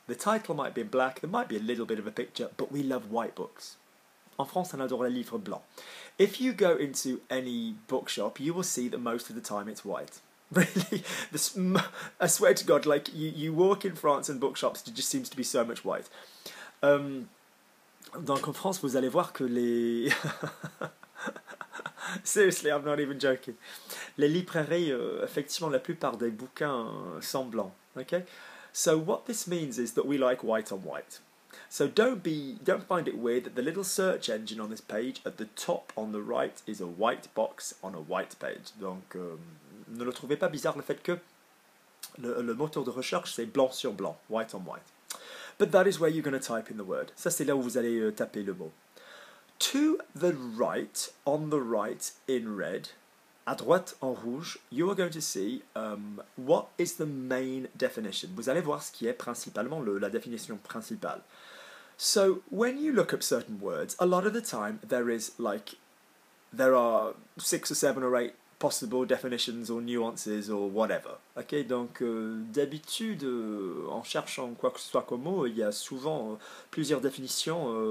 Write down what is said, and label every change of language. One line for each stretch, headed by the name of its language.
English: The title might be in black, there might be a little bit of a picture, but we love white books.
French: En France, on adore les livres blancs.
English: If you go into any bookshop, you will see that most of the time it's white. Really, I swear to God, like, you walk in France and bookshops, it just seems to be so much white.
French: Donc en France, vous allez voir que les...
English: Seriously, I'm not even joking.
French: Les librairies, effectivement, la plupart des bouquins sont blancs, okay?
English: So what this means is that we like white on white. So don't find it weird that the little search engine on this page at the top on the right is a white box on a white page.
French: Donc, ne le trouvez pas bizarre le fait que le moteur de recherche c'est blanc sur blanc,
English: white on white. But that is where you're going to type in the word.
French: Ça c'est là où vous allez taper le mot.
English: To the right, on the right in red,
French: à droite en rouge,
English: you are going to see what is the main definition.
French: Vous allez voir ce qui est principalement la définition principale.
English: So when you look up certain words, a lot of the time there are 6 or 7 or 8 possible definitions or nuances or whatever.
French: Okay, donc d'habitude en cherchant quoi que ce soit comme mot, il y a souvent plusieurs définitions.